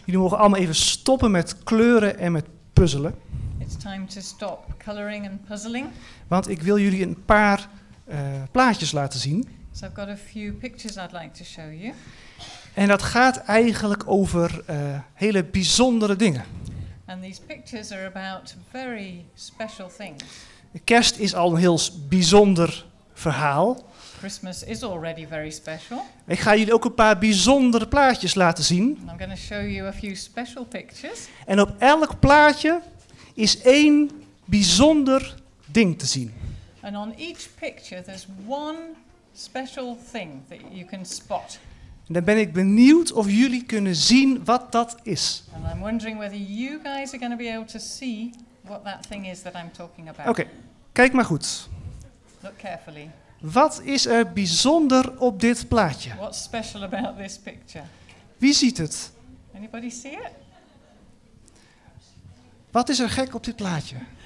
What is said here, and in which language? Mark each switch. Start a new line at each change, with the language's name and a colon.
Dutch: Jullie mogen allemaal even stoppen met kleuren en met puzzelen.
English: It's time to stop coloring and puzzling.
Dutch: Want ik wil jullie een paar plaatjes laten zien.
English: So I've got a few pictures I'd like to show you.
Dutch: En dat gaat eigenlijk over hele bijzondere dingen.
English: And these pictures are about very special things.
Dutch: Kerst is al een heel bijzonder verhaal.
English: Christmas is already very special.
Dutch: Ik ga jullie ook een paar bijzondere plaatjes laten zien.
English: And I'm going to show you a few special pictures.
Dutch: En op elk plaatje is één bijzonder ding te zien.
English: And on each picture there's one special thing that you can spot.
Dutch: En dan ben ik benieuwd of jullie kunnen zien wat dat is.
English: And I'm wondering whether you guys are going to be able to see what that thing is that I'm talking about.
Dutch: Okay, kijk maar goed.
English: Look carefully.
Dutch: Wat is er bijzonder op dit plaatje?
English: What's special about this picture?
Dutch: Wie ziet het?
English: Anybody see it?
Dutch: Wat is er gek op dit plaatje?